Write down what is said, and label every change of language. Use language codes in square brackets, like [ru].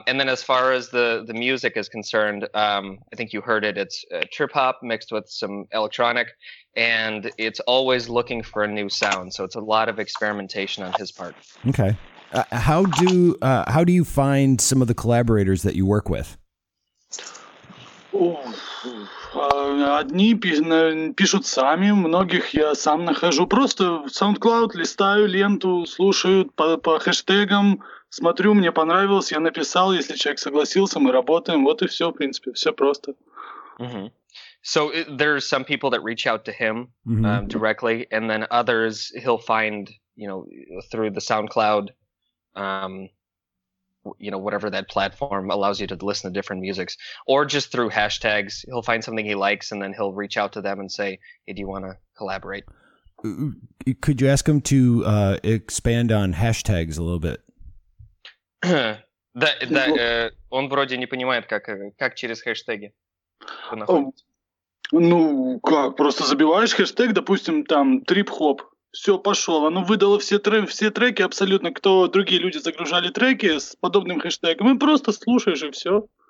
[en] And then as far as the music is concerned, I think you heard it. It's trip hop mixed with some electronic, and it's always looking for a new sound. So it's a lot of experimentation on his part. Okay. How do you find some of the collaborators that you work with? [ru] Одни пишут сами, многих я сам нахожу. Просто в SoundCloud листаю ленту, слушаю по хэштегам, смотрю, мне понравилось, я написал, если человек согласился, мы работаем. Вот и все, в принципе, все просто. Mm-hmm. [en] So there's some people that reach out to him directly, and then others he'll find, you know, through the SoundCloud, you know, whatever that platform allows you to listen to different musics, or just through hashtags, he'll find something he likes and then he'll reach out to them and say, hey, do you want to collaborate? Could you ask him to expand on hashtags a little bit? [ru] Он вроде не понимает, как через хэштеги. Ну, как, просто забиваешь хэштег, допустим, там, трип-хоп. Все, пошел. Оно выдало все треки абсолютно, кто другие люди загружали треки с подобным хэштегом. И просто слушаешь, и все.